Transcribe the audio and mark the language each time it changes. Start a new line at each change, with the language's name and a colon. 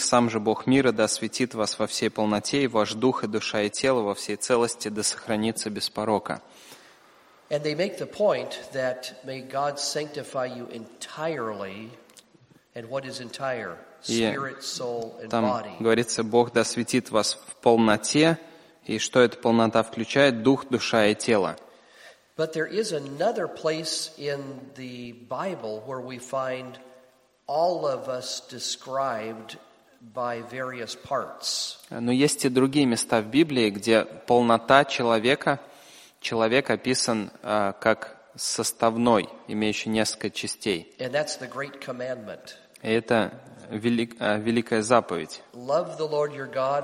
Russian: «Сам же Бог мира да осветит вас во всей полноте, и ваш дух, и душа, и тело во всей целости да сохранится без порока».
English: And they make the point that may God sanctify you entirely. And what is entire? Spirit, soul, and body.
Russian: Там говорится, Бог да осветит вас в полноте. И что эта полнота включает? Дух, душа и тело.
English: But there is another place in the Bible where we find all of us described by various parts.
Russian: Но есть и другие места в Библии, где полнота человека... Человек описан как составной, имеющий несколько частей.
English: And that's the great commandment.
Russian: И это великая заповедь.
English: Love the Lord your God.